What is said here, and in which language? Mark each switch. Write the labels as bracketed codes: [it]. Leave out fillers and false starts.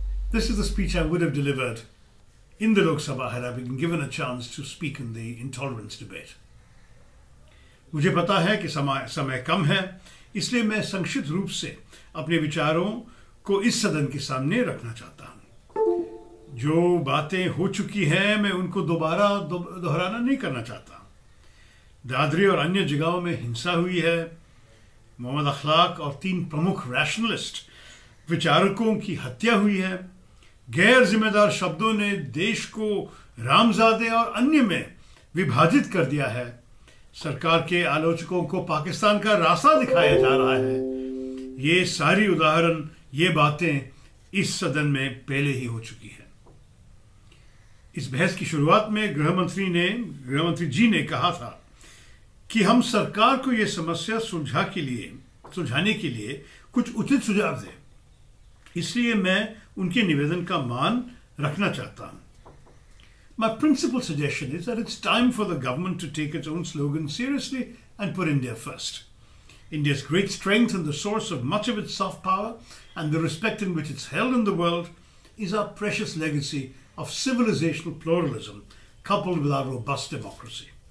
[en] This is the speech I would have delivered in the Lok Sabha had I been given a chance to speak in the intolerance debate. [hi] मुझे पता है कि समय कम है, इसलिए मैं संक्षिप्त रूप से अपने विचारों को इस सदन के सामने रखना चाहता हूँ। जो बातें हो चुकी हैं, मैं उनको दोबारा दोहराना नहीं करना चाहता। दादरी और अन्य जगहों में हिंसा हुई है, मोहम्मद अखलाक और तीन प्रमुख रैशनलिस्ट विचारकों की हत्या हुई है, गैर जिम्मेदार शब्दों ने देश को रामजादे और अन्य में विभाजित कर दिया है, सरकार के आलोचकों को पाकिस्तान का रास्ता दिखाया जा रहा है। ये सारी उदाहरण, ये बातें इस सदन में पहले ही हो चुकी है। इस बहस की शुरुआत में गृहमंत्री जी ने कहा था कि हम सरकार को यह समस्या सुलझाने के लिए कुछ उचित सुझाव दें, इसलिए मैं उनके निवेदन का मान रखना चाहता हूं। [en] My principal suggestion is that it's time for the government to take its own slogan seriously and put India first. India's great strength and the source of much of its soft power and the respect in which it's held in the world is our precious legacy of civilizational pluralism coupled with our robust democracy.